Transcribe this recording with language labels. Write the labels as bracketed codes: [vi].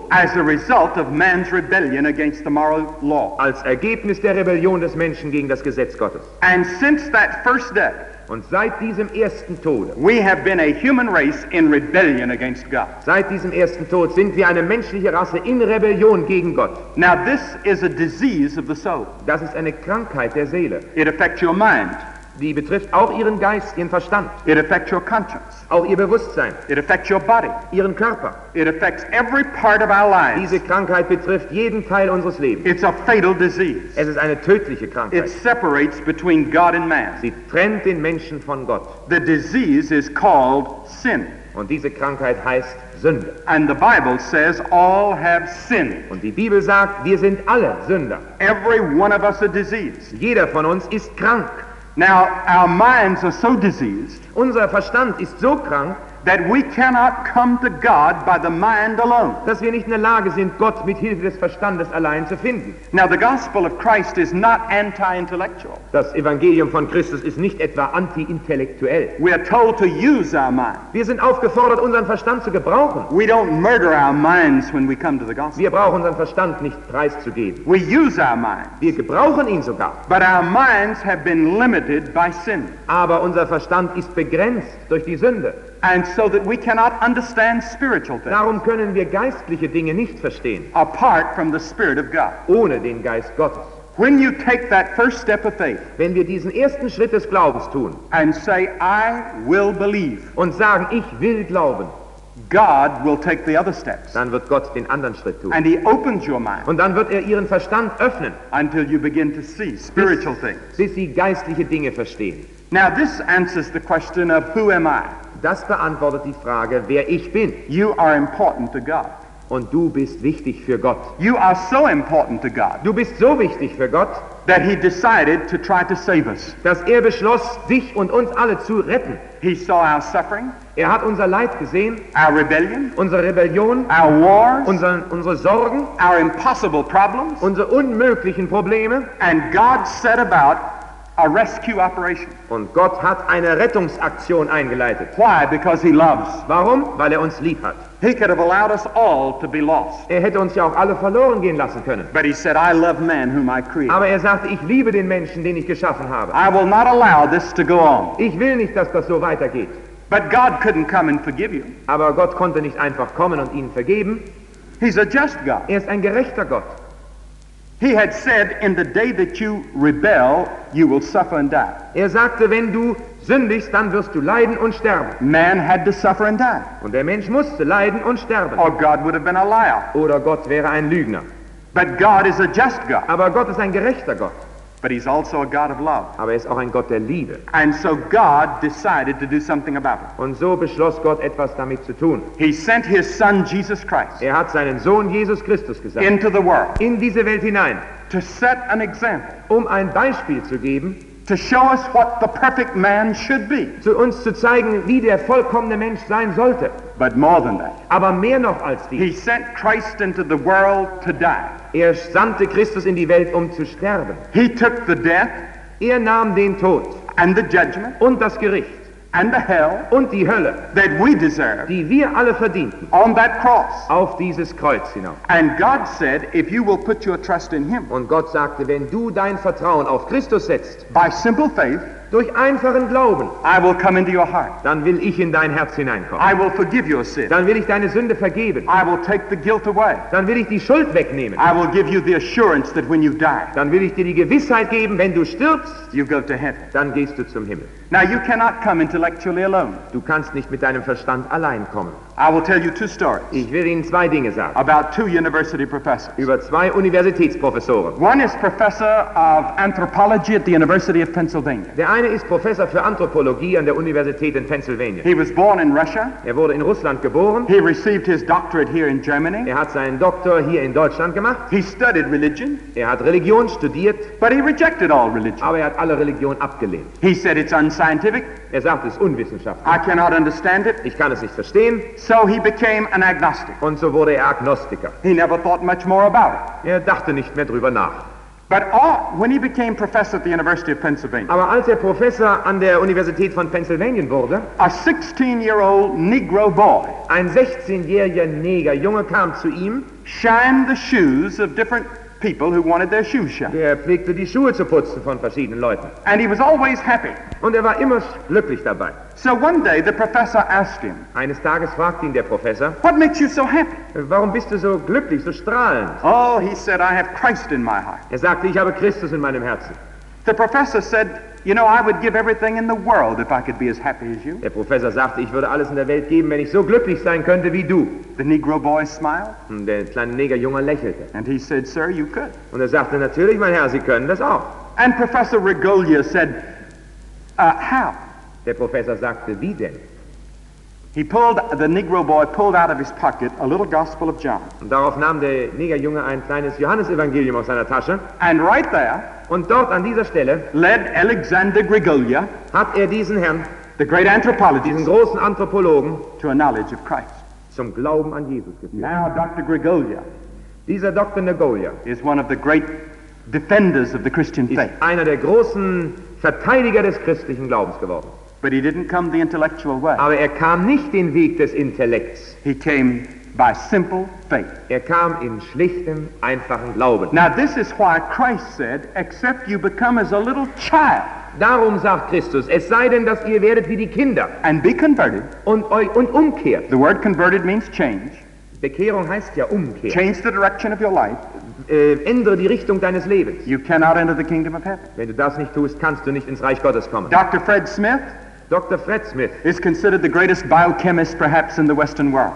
[en] As a result of man's rebellion against the moral law. [de] Als Ergebnis der Rebellion des Menschen gegen das Gesetz Gottes. [en] And since that first death, [de] und seit diesem ersten Tode, [en] we have been a human race in rebellion against God. [de] Seit diesem ersten Tod sind wir eine menschliche Rasse in Rebellion gegen Gott. [en] Now this is a disease of the soul. [de] Das ist eine Krankheit der Seele. [en] It affects your mind. [de] Die betrifft auch ihren Geist, ihren Verstand. [en] It affects your conscience. [de] Auch ihr Bewusstsein. [en] It affects your body. [de] Ihren Körper. [en] It affects every part of our lives. [de] Diese Krankheit betrifft jeden Teil unseres Lebens. [en] It's a fatal disease. [de] Es ist eine tödliche Krankheit. [en] It separates between God and man. [de] Sie trennt den Menschen von Gott. [en] The disease is called sin. [de] Und diese Krankheit heißt Sünde. [en] And the Bible says all have sinned. [de] Und die Bibel sagt, wir sind alle Sünder. [en] Every one of us a disease. [de] Jeder von uns ist krank. [en] Now our minds are so diseased. [de] Unser Verstand ist so krank, [en] that we cannot come to God by the mind alone. [de] Dass wir nicht in der Lage sind, Gott mit Hilfe des Verstandes allein zu finden. [en] Now the gospel of Christ is not anti-intellectual. [de] Das Evangelium von Christus ist nicht etwa anti-intellektuell. [en] We are told to use our mind. [de] Wir sind aufgefordert, unseren Verstand zu gebrauchen. [en] We don't murder our minds when we come to the gospel. [de] Wir brauchen unseren Verstand nicht preiszugeben. [en] We use our minds. [de] Wir gebrauchen ihn sogar. [en] But our minds have been limited by sin. [de] Aber unser Verstand ist begrenzt durch die Sünde. [en] And so that we cannot understand spiritual things. [de] Darum können wir geistliche Dinge nicht verstehen. [en] Apart from the Spirit of God. [de] Ohne den Geist Gottes. [en] When you take that first step of faith. [de] Wenn wir diesen ersten Schritt des Glaubens tun. [en] And say, I will believe. [de] Und sagen, ich will glauben. [en] God will take the other steps. [de] Dann wird Gott den anderen Schritt tun. [en] And he opens your mind. [de] Und dann wird er ihren Verstand öffnen. [en] Until you begin to see spiritual things. [de] Bis sie geistliche Dinge verstehen. [en] Now this answers the question of who am I? [de] Das beantwortet die Frage, wer ich bin. [en] You are important to God. [de] Und du bist wichtig für Gott. [en] You are so important to God. [de] Du bist so wichtig für Gott, [en] that he decided to try to save us. [de] Dass er beschloss, dich und uns alle zu retten. [en] He saw our suffering. [de] Er hat unser Leid gesehen. [en] Our rebellion. [de] Unsere Rebellion. [en] Our wars. [de] Unsere Sorgen. [en] Our impossible problems. [de] Unsere unmöglichen Probleme. [en] And God set about a rescue operation. [de] Und Gott hat eine Rettungsaktion eingeleitet. [en] Why? Because he loves. [de] Warum? Weil er uns lieb hat. [en] He could have allowed us all to be lost. [de] Er hätte uns ja auch alle verloren gehen lassen können. [en] But he said, I love man whom I create. [de] Aber er sagte, ich liebe den Menschen, den ich geschaffen habe. [en] I will not allow this to go on. [de] Ich will nicht, dass das so weitergeht. [en] But God couldn't come and forgive you. [de] Aber Gott konnte nicht einfach kommen und ihn vergeben. [en] He's a just God. [de] Er ist ein gerechter Gott. [en] He had said, in the day that you rebel, you will suffer and die. [de] Er sagte, wenn du sündigst, dann wirst du leiden und sterben. [en] Man had to suffer and die. [de] Und der Mensch musste leiden und sterben. [en] Or God would have been a liar. [de] Oder Gott wäre ein Lügner. [en] But God is a just God. [de] Aber Gott ist ein gerechter Gott. [en] But he's also a God of love. [de] Aber er ist auch ein Gott der Liebe. [en] And so God decided to do something about it. [de] Und so beschloss Gott, etwas damit zu tun. [en] He sent his son Jesus Christ. [de] Er hat seinen Sohn Jesus Christus gesandt. [en] Into the world. [de] In diese Welt hinein. [en] To set an example. [de] Um ein Beispiel zu geben. [en] To show us what the perfect man should be. [de] Zu uns zu zeigen, wie der vollkommene Mensch sein sollte. [en] But more than that. [de] Aber mehr noch als dies. [en] He sent Christ into the world to die. [de] Er sandte Christus in die Welt, um zu sterben. [en] He took the death. [de] Er nahm den Tod. [en] And the judgment. [de] Und das Gericht. [en] And the hell. [de] Und die Hölle. [en] That we deserve. [de] Die wir alle verdienten. [en] On that cross. [de] Auf dieses Kreuz hinauf. [en] And God said, if you will put your trust in him. [de] Und Gott sagte, wenn du dein Vertrauen auf Christus setzt. [en] By simple faith. [de] Durch einfachen Glauben. [en] I will come into your heart. [de] Dann will ich in dein Herz hineinkommen. [en] I will forgive your sin. [de] Dann will ich deine Sünde vergeben. [en] I will take the guilt away. [de] Dann will ich die Schuld wegnehmen. [en] I will give you the assurance that when you die. [de] Dann will ich dir die Gewissheit geben, wenn du stirbst. [en] You go to heaven. [de] Dann gehst du zum Himmel. [en] Now you cannot come intellectually alone. [de] Du kannst nicht mit deinem Verstand allein kommen. [en] I will tell you two stories. [de] Ich will Ihnen zwei Dinge sagen. [en] About two university professors. [de] Über zwei Universitätsprofessoren. [en] One is professor of anthropology at the University of Pennsylvania. [de] Der eine ist Professor für Anthropologie an der Universität in Pennsylvania. [en] He was born in Russia. [de] Er wurde in Russland geboren. [en] He received his doctorate here in Germany. [de] Er hat seinen Doktor hier in Deutschland gemacht. [en] He studied religion. [de] Er hat Religion studiert. [en] But he rejected all religion. [de] Aber er hat alle Religion abgelehnt. [en] He said it's unscientific. [de] Er sagt, es ist unwissenschaftlich. [en] I cannot understand it. [de] Ich kann es nicht verstehen. [en] So he became an agnostic. [de] Und so wurde er Agnostiker. [en] He never thought much more about it. [de] Er dachte nicht mehr drüber nach. [en] But when he became professor at the University of Pennsylvania. [de] Aber als er Professor an der Universität von Pennsylvania wurde, [en] a 16-year-old Negro boy. [de] Ein 16-jähriger Neger Junge kam zu ihm, [en] shined the shoes of different people who wanted their shoes shined. [de] Der pflegte die Schuhe zu putzen von verschiedenen Leuten. [en] And he was always happy. [de] Und war immer glücklich dabei. [en] So one day the professor asked him. [de] Eines Tages fragte ihn der Professor. [en] What makes you so happy? [de] Warum bist du so glücklich, so strahlend? [en] Oh, he said, I have Christ in my heart. [de] Sagte, ich habe Christus in meinem Herzen. [en] The professor said, you know, I would give everything in the world if I could be as happy as you. [de] Der Professor sagte, ich würde alles in der Welt geben, wenn ich so glücklich sein könnte wie du. [en] The Negro boy smiled. [de] Und der kleine Negerjunge lächelte. [en] And he said, sir, you could. [de] Und sagte, natürlich, mein Herr, Sie können das auch. [en] And Professor Regolia said, how? [de] Der Professor sagte, wie denn? [en] He pulled, the Negro boy pulled out of his pocket a little Gospel of John. [de] Und darauf nahm der Negerjunge ein kleines Johannesevangelium aus seiner Tasche. [en] And right there, [de] und dort an dieser Stelle, [en] led Alexander Grigolia, [de] hat diesen Herrn, [en] the great anthropologist, [de] diesen großen Anthropologen, [en] to a knowledge of Christ. [de] Zum Glauben an Jesus geführt. [en] Now Dr. Grigolia, [de] dieser Dr. Negolia, [en] is one of the great defenders of the Christian faith. [de] Ist einer der großen Verteidiger des christlichen Glaubens geworden. [en] But he didn't come the intellectual way. [de] Aber kam nicht den Weg des Intellekts. [en] He came by simple faith. [de] Kam in schlichtem, einfachen Glauben. [en] Now this is why Christ said, except you become as a little child. [de] Darum sagt Christus, es sei denn, dass ihr werdet wie die Kinder. [en] And be converted. [de] Und umkehrt. [en] The word converted means change. [de] Bekehrung heißt ja Umkehr. [en] Change the direction of your life. [de] Ändere die Richtung deines Lebens. [en] You cannot enter the kingdom of heaven. [de] Wenn du das nicht tust, kannst du nicht ins Reich Gottes kommen. [en] Dr. Fred Smith. [de] Dr. Fred Smith [en] is considered the greatest biochemist perhaps in the Western world.